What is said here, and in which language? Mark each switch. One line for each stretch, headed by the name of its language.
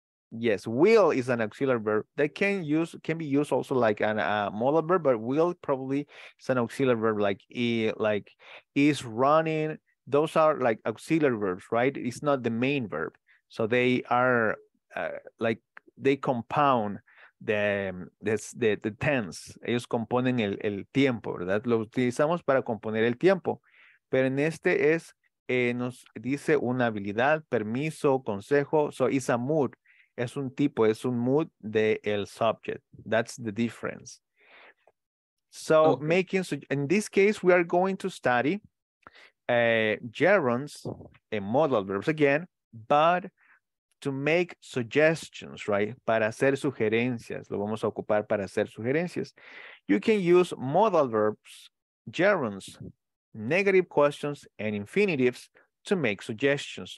English: Yes, will is an auxiliary verb that can be used also like an modal verb, but will probably is an auxiliary verb like is running. Those are like auxiliary verbs, right? It's not the main verb, so they are like they compound the tense.
Spanish: Ellos componen el tiempo, ¿verdad? Lo utilizamos para componer el tiempo, pero en este es nos dice una habilidad, permiso, consejo.
English: So it's a mood.
Spanish: Es un tipo, es un mood de el subject.
English: That's the difference. So okay. Making, so in this case, we are going to study gerunds and modal verbs again, but to make suggestions, right?
Spanish: Para hacer sugerencias. Lo vamos a ocupar para hacer sugerencias.
English: You can use modal verbs, gerunds, negative questions, and infinitives to make suggestions.